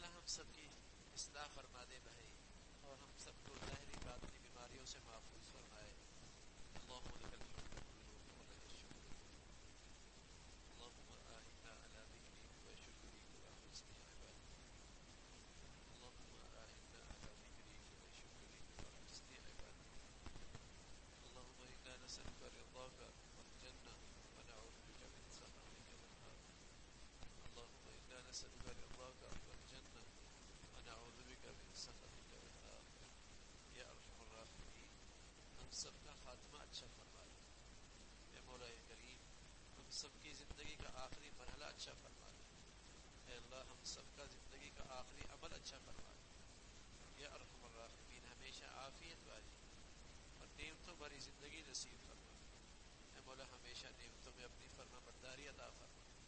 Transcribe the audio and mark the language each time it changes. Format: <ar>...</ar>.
<ur>سب کی اصلاح فرما دے بھائی, اور ہم سب کو ظاہری باطنی بیماریوں سے محفوظ فرمائے.</ur> <ar>اللهم لك الحمد ولك الشكر, اللهم آهنا على ذكرك وشكرك وحسن عبادتك, اللهم آهنا على ذكرك وشكرك وحسن عبادتك, اللهم إنا نسألك رضاك والجنة ونعوذ بك من سخطك والنار, اللهم إنا نسألك رضاك والجنة ونعوذ بك من سخطك والنار يا ارحم الراحمين.</ar> <ur>ہم سب کا خاتمہ اچھا فرما دے اے مولا اے کریم, ہم سب کی زندگی کا آخری مرحلہ اچھا فرما دے اے اللہ, ہم سب کا زندگی کا آخری عمل اچھا فرما دے</ur> <ar>یا ارحم الراحمین,</ar> <ur>ہمیشہ عافیت والی اور نعمتوں بھری زندگی نصیب فرما اے مولا, ہمیشہ نعمتوں میں اپنی فرما برداری عطا فرما,</ur>